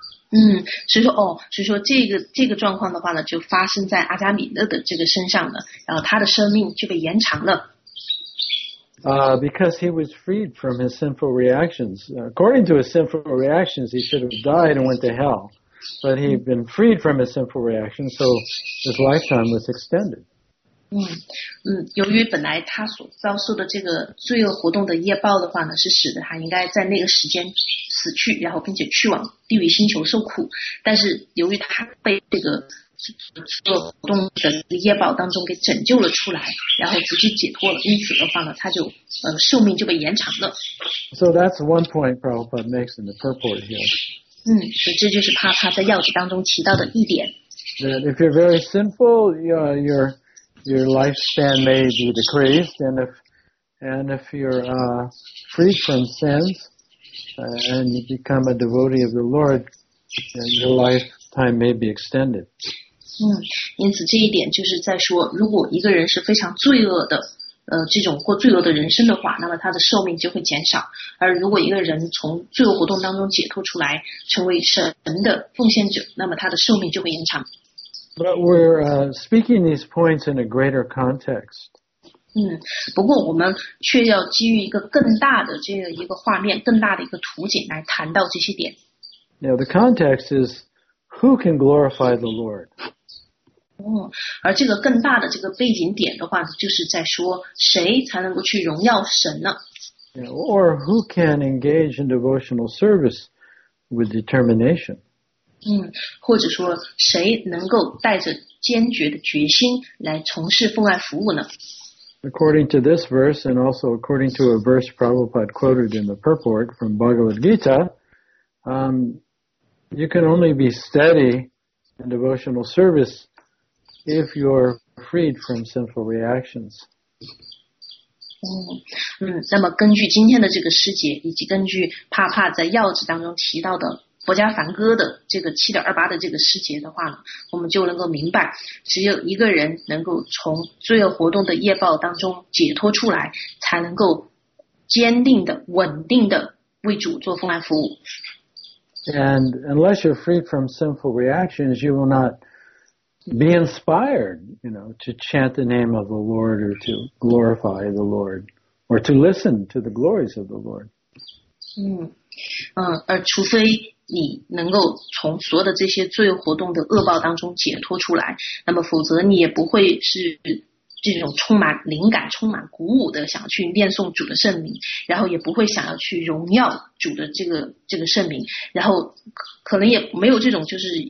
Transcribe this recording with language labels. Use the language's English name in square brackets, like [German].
[Chinese] 所以说这个状况的话呢，就发生在阿加米勒的这个身上了，然后他的生命就被延长了。 [English] Because he was freed from his sinful reactions. According to his sinful reactions, he should have died and went to hell. But he'd been freed from his sinful reaction, so his lifetime was extended. [Chinese] 由于本来他所遭受的这个罪恶活动的业报的话呢，是使得他应该在那个时间死去，然后并且去往地狱星球受苦。但是由于他被这个罪恶活动的业报当中给拯救了出来，然后直接解脱了，因此的话呢，他就寿命就被延长了。 [English] So that's one point Prabhupada makes in the purport here. [Chinese] 这就是他在要旨当中提到的一点。 [English] That if you're very sinful, your lifespan may be decreased, and if you're free from sins, and you become a devotee of the Lord, then your lifetime may be extended. [Chinese] 因此这一点就是在说，如果一个人是非常罪恶的。这种过罪恶的人生的话，那么他的寿命就会减少。而如果一个人从罪恶活动当中解脱出来，成为神的奉献者，那么他的寿命就会延长。 [English] But we're speaking these points in a greater context. [Chinese] 不过我们却要基于一个更大的这个一个画面，更大的一个图景来谈到这些点。 [English] Now the context is who can glorify the Lord. [Chinese] 而这个更大的这个背景点的话，就是在说谁才能够去荣耀神呢？ [English] Yeah, or who can engage in devotional service with determination? [Chinese] 或者说谁能够带着坚决的决心来从事奉爱服务呢？ [English] According to this verse, and also according to a verse Prabhupada quoted in the purport from Bhagavad Gita, you can only be steady in devotional service. If you're freed from sinful reactions. [Chinese] 那么根据今天的这个师节，以及根据帕帕在要旨当中提到的薄伽梵歌的这个7.28的这个师节的话呢，我们就能够明白，只有一个人能够从罪恶活动的业报当中解脱出来，才能够坚定的、稳定的为主做奉爱服务。 [English] And unless you're freed from sinful reactions, you will not. Be inspired, you know, to chant the name of the Lord or to glorify the Lord or to listen to the glories of the Lord. [Chinese] 而除非你能够从所有的这些罪恶活动的恶报当中解脱出来，那么否则你也不会是这种充满灵感、充满鼓舞的想去念诵主的圣名，然后也不会想要去荣耀主的这个圣名，然后可能也没有这种就是。